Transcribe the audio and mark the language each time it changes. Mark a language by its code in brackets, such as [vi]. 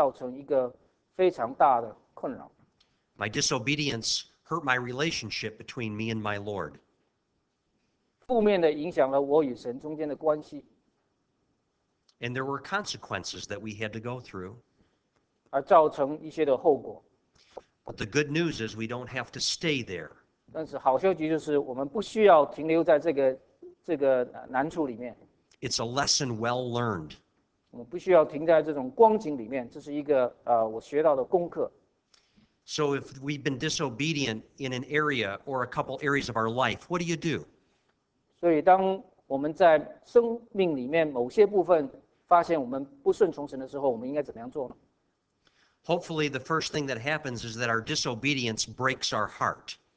[zh] 不顺从就等于厌弃耶和华，在我生活里面、生命里面造成一个非常大的困扰。 [en] My disobedience hurt my relationship between me and my Lord. [zh] 负面的影响了我与神中间的关系。 [en] And there were consequences that we had to go through. [zh] 而造成一些的后果。 [en] But the good news is we don't have to stay there. [zh] 但是好消息就是我们不需要停留在这个难处里面。 [en] It's a lesson well learned. [zh] 我们不需要停在这种光景里面，这是一个我学到的功课。 [en] So if we've been disobedient in an area or a couple areas of our life, what do you do? [zh] 所以当我们在生命里面某些部分 发现我们不顺从神的时候，我们应该怎么样做呢？ [en] Hopefully, the first thing that happens is that our disobedience breaks our heart.